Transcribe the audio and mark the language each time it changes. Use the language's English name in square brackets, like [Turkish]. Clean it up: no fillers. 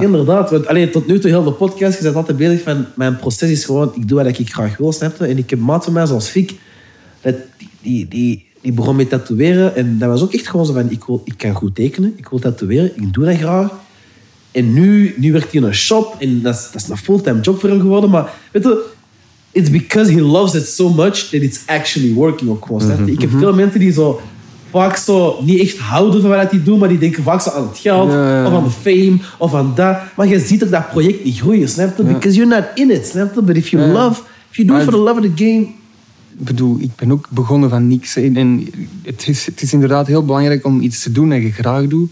[Dutch] Inderdaad, want tot nu toe heel de podcast, je bent altijd bezig van mijn proces is gewoon, ik doe wat ik graag wil, snap je? En ik heb maat van mij, zoals Fik, die begon met tatoeëren. En dat was ook echt gewoon zo van, ik kan goed tekenen, ik wil tatoeëren, ik doe dat graag. En nu werkt hij in een shop en dat is een fulltime job voor hem geworden. Maar weet je, [English] it's because he loves it so much that it's actually working [Dutch] ook gewoon. Mm-hmm. Ik heb veel mensen die zo vaak zo niet echt houden van wat die doen, maar die denken vaak zo aan het geld, of aan de fame, of aan dat. Maar je ziet dat project niet groeien, snap je? [English] Because you're not in it, [Dutch] snap je? [English] But if you love, if you do it for the love of the game... [Dutch] Ik bedoel, ik ben ook begonnen van niks. En het is inderdaad heel belangrijk om iets te doen dat je graag doet.